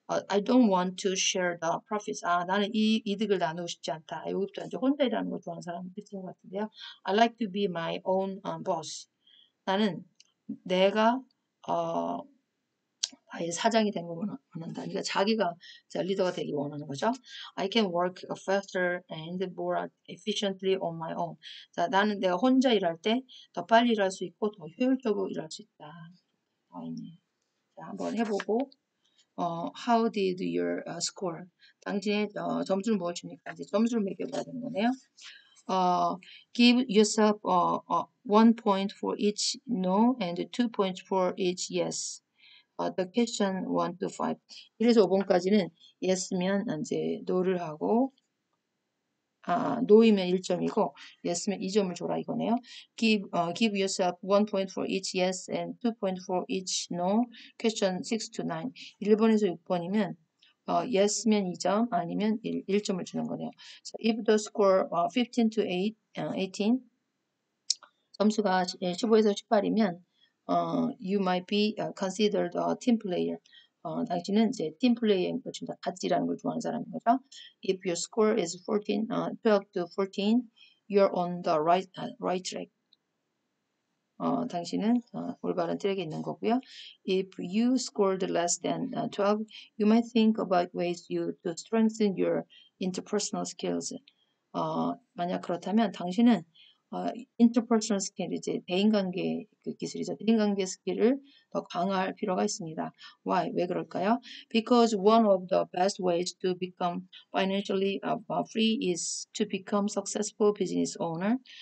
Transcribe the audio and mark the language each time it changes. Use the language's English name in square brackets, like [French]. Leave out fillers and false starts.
[English] I don't want to share the profits. [Korean] 나는 이 이득을 나누고 싶지 않다. 이것도 이제 혼자 일하는 걸 좋아하는 사람 있는 것 같은데요. [English] I like to be my own boss. [Korean] 나는 내가 나의 사장이 된걸 원한다. 그러니까 자기가 리더가 되기 원하는 거죠. [English] I can work faster and more efficiently on my own. [Korean] 자, 나는 내가 혼자 일할 때더 빨리 일할 수 있고 더 효율적으로 일할 수 있다. 한번 해보고. [English] How did your score? [Korean] 당신의 점수를 무엇입니까? 이제 점수를 매겨봐야 되는 거네요. [English] Give yourself one point for each no and two points for each yes. The question one to five. [Korean] 1에서 5번까지는 yes면 이제 no를 하고, no이면 1점이고, yes면 2점을 줘라 이거네요. [English] Give yourself one point for each yes and two point for each no. Question 6 to 9. [Korean] 1번에서 6번이면, yes면 2점, 아니면 1점을 주는 거네요. [English] So if the score 15 to 8, 18, [Korean] 점수가 15에서 18이면, [English] you might be considered a team player. [Korean] 당신은 이제 팀 플레이인 것입니다. 같이 일하는 걸 좋아하는 사람인 거죠. [English] If your score is 14, 12 to 14, you're on the right track. [Korean] 당신은 올바른 트랙에 있는 거고요. [English] If you scored less than 12, you might think about ways to strengthen your interpersonal skills. [Korean] 만약 그렇다면 당신은 interpersonal skill, 이제 대인관계 그 기술이죠. 대인관계 스킬을 더 강화할 필요가 있습니다. [English] Why? [Korean] 왜 그럴까요? [English] Because one of the best ways to become financially free is to become successful business owner.